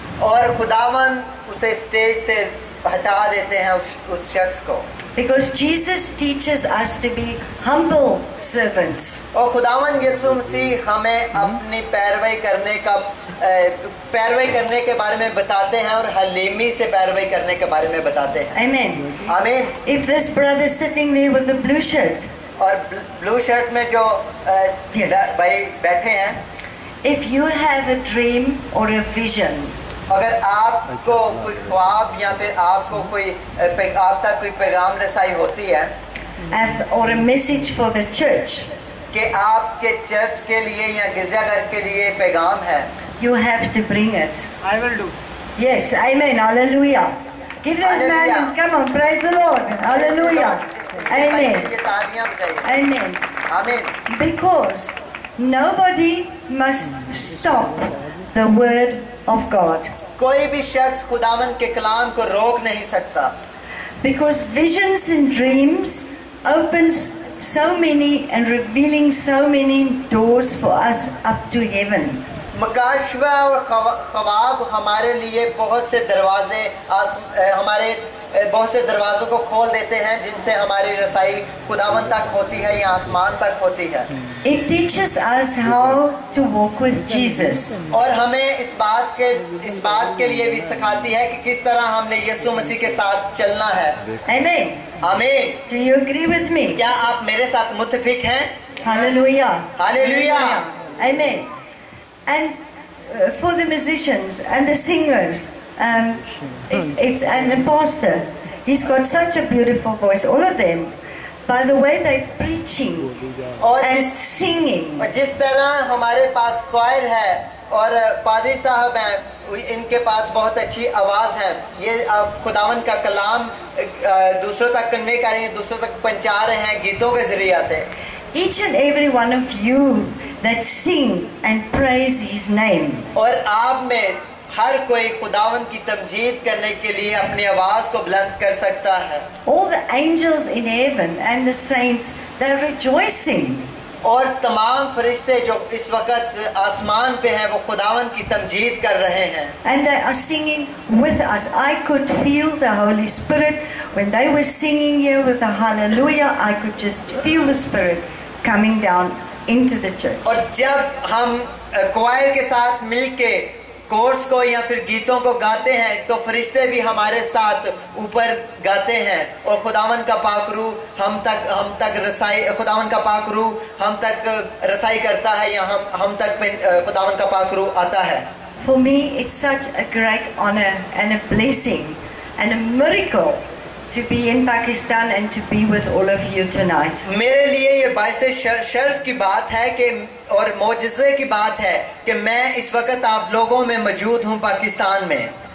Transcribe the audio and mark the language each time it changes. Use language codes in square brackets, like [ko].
[hi] और खुदावन उसे स्टेज से हटा देते हैं उस शख्स को. [en] Because Jesus teaches us to be humble servants. [hi] और खुदावन यीशु मसीह हमें अपनी पैरवी करने का पैरवी करने के बारे में बताते हैं और हलीमी से पैरवी करने के बारे में बताते हैं. [en] Amen. Amen. If this brother is sitting there with the blue shirt. [hi] और ब्लू शर्ट में जो भाई बैठे हैं. [en] If you have a dream or a vision. [hi] अगर आपको कोई ख्वाब या फिर आपको कोई आप तक कोई पैगाम रसाई होती है. [en] Or a message for the church. [hi] कि आपके चर्च के लिए या गिरजाघर के लिए पैगाम है. [en] You have to bring it. I will do. Yes, amen. Hallelujah. Give those men, come on, praise the Lord. Hallelujah. Amen. Amen. Amen. Because nobody must stop the word of God. [hi] कोई भी शख्स खुदावन के कलाम को रोक नहीं सकता. [en] Because visions and dreams opens so many and revealing so many doors for us up to heaven. [hi] मकाशवा और ख्वाब हमारे लिए बहुत से दरवाजे हमारे बहुत से दरवाजों को खोल देते हैं जिनसे हमारी रसाई खुदावन तक होती है या आसमान तक होती है. [en] It teaches us how to walk with Jesus. [hi] और हमें इस बात के लिए भी सिखाती है कि किस तरह हमने यीशु मसीह के साथ चलना है. [en] Amen. Amen. Do you agree with me? [hi] क्या आप मेरे साथ मुत्तफिक हैं? [en] Hallelujah. Hallelujah. Amen. And for the musicians and the singers, it's an apostle. He's got such a beautiful voice, all of them. By the way, they're preaching and singing. [hi] और जिस तरह हमारे पास choir है और पादरी साहब हैं, इनके पास बहुत अच्छी आवाज है. ये खुदावन का कलाम दूसरों तक convey कर रहे हैं, दूसरों तक पहुंचा रहे हैं गीतों के जरिए से. [en] Each and every one of you that sing and praise his name. [hi] और आप में हर कोई खुदावन की तमजीद करने के लिए अपनी आवाज को बुलंद कर सकता है. [en] All the angels in heaven and the saints, they're rejoicing. [hi] और तमाम फरिश्ते जो इस वक्त आसमान पे हैं, वो खुदावन की तमजीद कर रहे हैं. [en] And they are singing with us. I could feel the Holy Spirit when they were singing here with a hallelujah. I could just feel the Spirit coming down into the church. [hi] और जब हम choir के साथ मिलके course को या फिर गीतों को गाते हैं तो फरिश्ते भी हमारे साथ ऊपर गाते हैं और खुदावन का पाक रू हम तक रसाई करता है या हम तक खुदावन का पाक रू आता है. [en] For me it's such a great honor and a blessing and a miracle to be in Pakistan and to be with all of you tonight. [hi] मेरे लिए ये बायसे शर्फ की बात है कि और मौजज़े की बात है कि मैं इस वक्त आप लोगों में मौजूद हूँ पाकिस्तान में.